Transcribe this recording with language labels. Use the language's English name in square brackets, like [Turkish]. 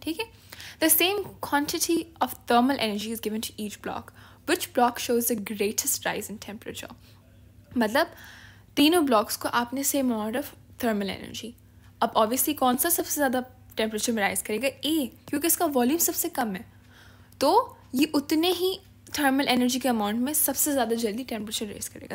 [Hindi] ठीक है? [English] The same quantity of thermal energy is given to each block. Which block shows the greatest rise in temperature? [Hindi] मतलब तीनों blocks को आपने same amount of thermal energy. अब obviously कौन सा सबसे ज़्यादा टेम्परेचर में राइज करेगा? ए, क्योंकि इसका वॉल्यूम सबसे कम है. तो ये उतने ही थर्मल एनर्जी के अमाउंट में सबसे ज़्यादा जल्दी टेम्परेचर राइज करेगा.